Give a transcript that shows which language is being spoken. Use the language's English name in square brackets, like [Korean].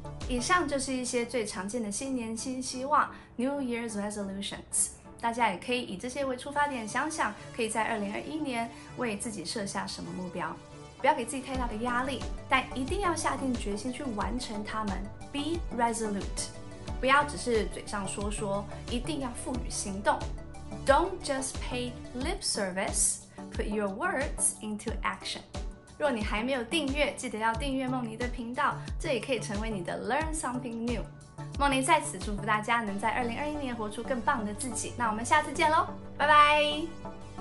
[Chinese] 以上就是一些最常见的新年新希望 New Year's Resolutions， 大家也可以以这些为出发点，想想可以在2021年为自己设下什么目标。不要给自己太大的压力，但一定要下定决心去完成它们。 [English] Be resolute， [Chinese] 不要只是嘴上说说，一定要付诸行动。 [English] Don't just pay lip service， put your words into action。 [Chinese] 若你还没有订阅，记得要订阅梦妮的频道，这也可以成为你的 [English] Learn Something New。 [Chinese] 梦妮在此祝福大家能在2021年活出更棒的自己。那我们下次见咯，拜拜。